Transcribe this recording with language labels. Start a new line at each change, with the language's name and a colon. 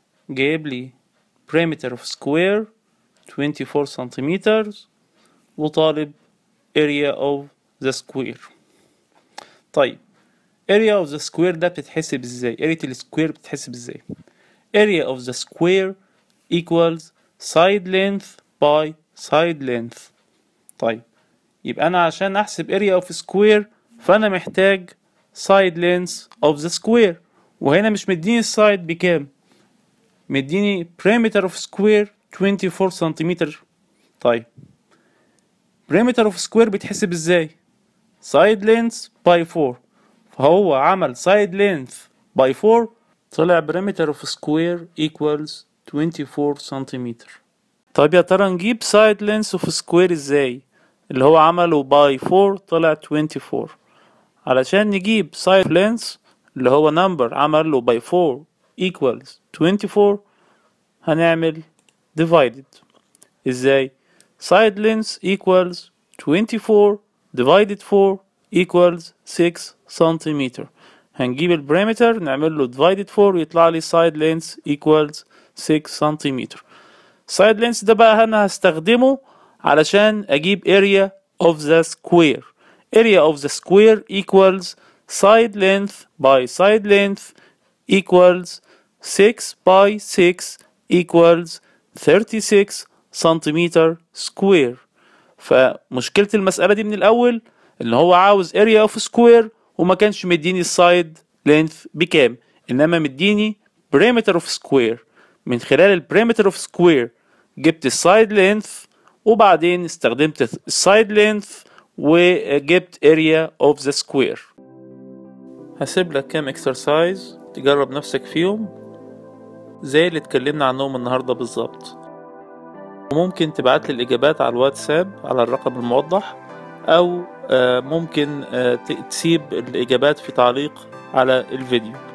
Arabic: جايب لي
English: perimeter of square 24 centimeters
Arabic: وطالب
English: area of the square. طيب area of the square
Arabic: ده بتتحسب ازاي؟
English: area ال square
Arabic: بتتحسب ازاي؟
English: area of the square equals side length by side length.
Arabic: طيب يبقى انا عشان احسب
English: area of square
Arabic: فانا محتاج
English: side length of the square،
Arabic: وهنا مش مديني side بكام، مديني
English: perimeter of square 24
Arabic: سنتيمتر.
English: طيب perimeter of square
Arabic: بتحسب ازاي؟
English: side length by 4،
Arabic: فهو عمل
English: side length by 4 طلع perimeter of square equals 24 سنتيمتر.
Arabic: طيب يا ترى نجيب
English: side length of square
Arabic: ازاي؟ اللي هو عمله
English: by 4
Arabic: طلع 24. علشان نجيب
English: side length اللي هو number عمله by 4 equals 24
Arabic: هنعمل
English: divided. ازاي؟ side length equals 24 divided 4 equals 6 centimeter.
Arabic: هنجيب ال
English: perimeter نعمله divided 4
Arabic: يطلع لي
English: side length equals 6 centimeter. side length
Arabic: ده بقى انا هستخدمه علشان اجيب
English: area of the square. area of the square equals side length by side length equals 6 by 6 equals 36 centimeter square.
Arabic: فمشكلة المسألة دي من الاول ان هو عاوز
English: area of square
Arabic: وما كانش مديني side length بكام، انما مديني
English: perimeter of square.
Arabic: من خلال
English: perimeter of square جبت side length،
Arabic: وبعدين استخدمت
English: side length وجبت area of the square.
Arabic: هسيب لك كام exercise تجرب نفسك فيهم زي اللي اتكلمنا عنهم النهاردة بالظبط، وممكن تبعت لي الإجابات على الواتساب على الرقم الموضح، أو ممكن تسيب الإجابات في تعليق على الفيديو.